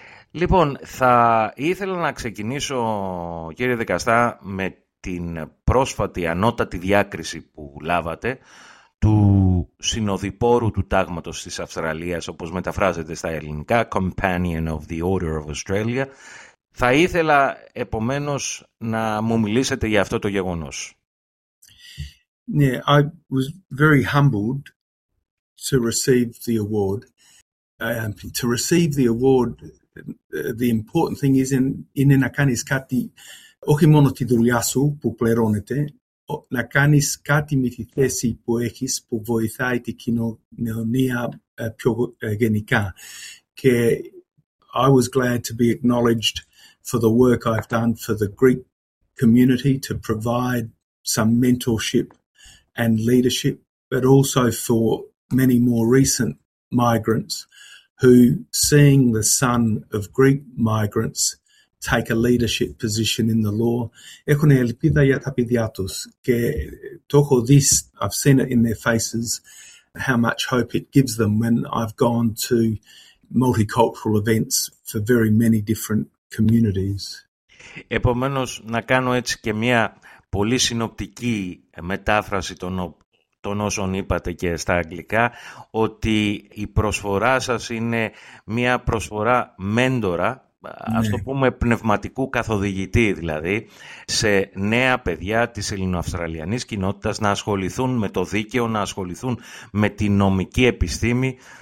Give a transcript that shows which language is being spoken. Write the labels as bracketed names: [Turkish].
[Greek] Λοιπόν, θα ήθελα να ξεκινήσω, κύριε δικαστά, με την πρόσφατη ανώτατη διάκριση που λάβατε του συνοδοιπόρου του τάγματος της Αυστραλίας, όπως μεταφράζεται στα ελληνικά, Companion of the Order of Australia. Θα ήθελα, επομένως, να μου μιλήσετε για αυτό το γεγονός. [English] Ναι, I was very humbled to receive the award. To receive the award, the important thing is [Greek] είναι να κάνεις κάτι, όχι μόνο τη δουλειά σου που πληρώνεται, να κάνεις κάτι με τη θέση που έχεις που βοηθάει την κοινωνία πιο γενικά. [English] Και I was glad to be acknowledged for the work I've done for the Greek community, to provide some mentorship and leadership, but also for many more recent migrants who, seeing the son of Greek migrants take a leadership position in the law, [Greek] έχουν ελπίδα για τα παιδιά τους. Και το έχω δει, [English] I've seen it in their faces, how much hope it gives them when I've gone to multicultural events for very many different communities. [Greek] Επομένως, να κάνω έτσι και μια πολύ συνοπτική μετάφραση των όσων είπατε και στα αγγλικά, ότι η προσφορά σας είναι μια προσφορά μέντορα, ναι, ας το πούμε πνευματικού καθοδηγητή δηλαδή, σε νέα παιδιά της ελληνοαυστραλιανής κοινότητας να ασχοληθούν με το δίκαιο, να ασχοληθούν με τη νομική επιστήμη,